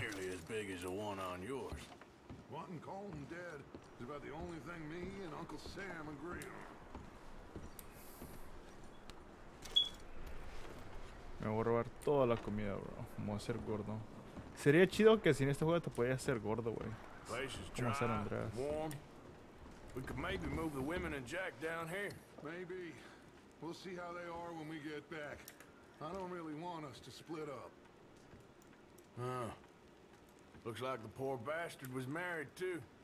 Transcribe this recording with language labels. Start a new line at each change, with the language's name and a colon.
English: Nearly as big as the one on yours. Wanting Colm dead is about the only thing me and Uncle Sam agree on.
Spanish: Me voy a robar toda la comida, bro. Voy a ser gordo. Sería chido que si en este juego te podías ser gordo, güey. Como ser Andreas.
English: Warm. We could maybe move the women and Jack down here. Maybe. We'll see how they are when we get back. I don't really want us to split up. Huh. Looks like the poor bastard was married, too.